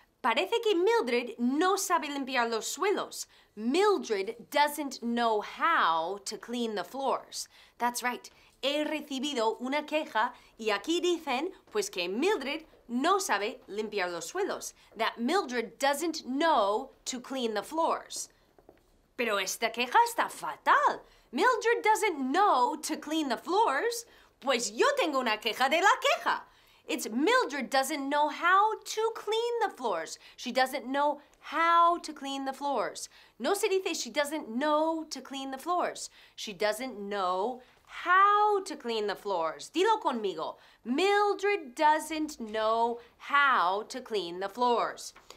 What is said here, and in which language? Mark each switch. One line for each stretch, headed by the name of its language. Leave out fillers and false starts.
Spanish: Parece que Mildred no sabe limpiar los suelos.
English: Mildred doesn't know how to clean the floors. That's right.
Spanish: He recibido una queja y aquí dicen, pues que Mildred no sabe limpiar los suelos.
English: That Mildred doesn't know to clean the floors.
Spanish: Pero esta queja está fatal.
English: Mildred doesn't know to clean the floors.
Spanish: Pues yo tengo una queja de la queja.
English: It's Mildred doesn't know how to clean the floors. She doesn't know how to clean the floors.
Spanish: No se dice
English: she doesn't know to clean the floors. She doesn't know how to clean the floors.
Spanish: Dilo conmigo.
English: Mildred doesn't know how to clean the floors.